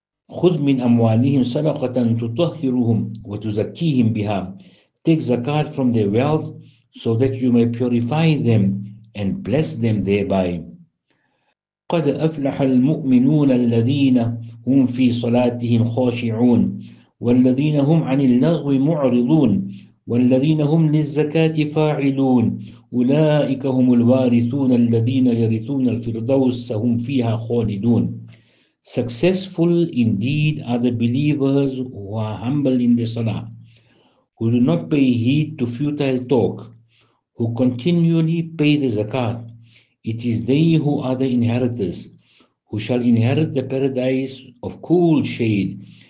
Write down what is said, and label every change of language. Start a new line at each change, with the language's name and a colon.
Arabic: خذ من أموالهم صدقة تطهرهم وتزكيهم بها.
English: Take zakat from their wealth so that you may purify them and bless them thereby.
Arabic: قد أفلح المؤمنون الذين هم في صلاتهم خاشعون والذين هم عن اللغو معرضون والذين هم للزكاة فاعلون أولئك هم الوارثون الذين يرثون الفردوس هم فيها خالدون.
English: Successful indeed are the believers who are humble in the salah, who do not pay heed to futile talk, who continually pay the zakat. It is they who are the inheritors, who shall inherit the paradise of cool shade.